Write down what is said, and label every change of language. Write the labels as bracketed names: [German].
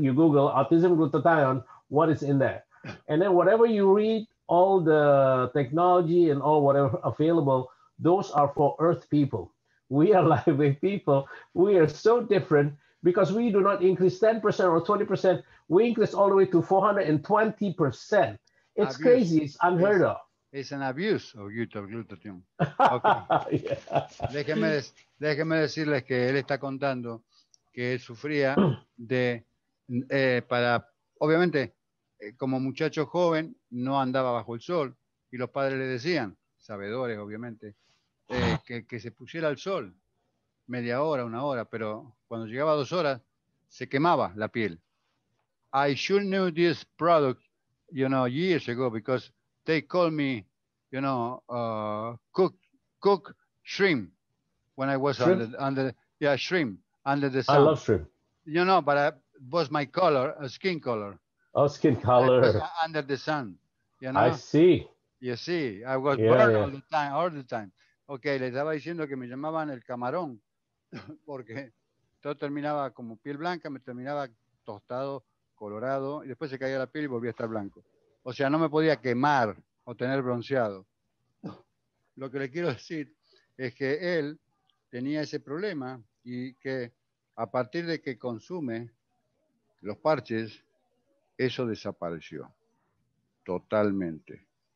[English] You Google autism, glutathione, what is in there? And then whatever you read, all the technology and all whatever available, those are for earth people. We are living people. We are so different because we do not increase 10% or 20%. We increase all the way to 420%. It's crazy. It's unheard of. It's an abuse of glutathione. Okay. Yeah. [Spanish] Déjeme decirles que él está contando que él sufría de, para, obviamente, como muchacho joven, no andaba bajo el sol, y los padres le decían, sabedores, obviamente, que se pusiera al sol media hora, una hora, pero cuando llegaba a dos horas, se quemaba la piel. [English] I should know this product, you know, years ago, because they call me, you know, cook shrimp when I was shrimp? Shrimp under the sun. I love shrimp. You know, but it was my color, skin color. Oh, skin color. Under the sun, you know. I see. You see, I was burned all the time. [Spanish] Okay, le estaba diciendo que me llamaban el camarón, porque todo terminaba como piel blanca, me terminaba tostado, colorado, y después se caía la piel y volvía a estar blanco. O sea, no me podía quemar o tener bronceado. Lo que le quiero decir es que él tenía ese problema y que a partir de que consume los parches, eso desapareció totalmente.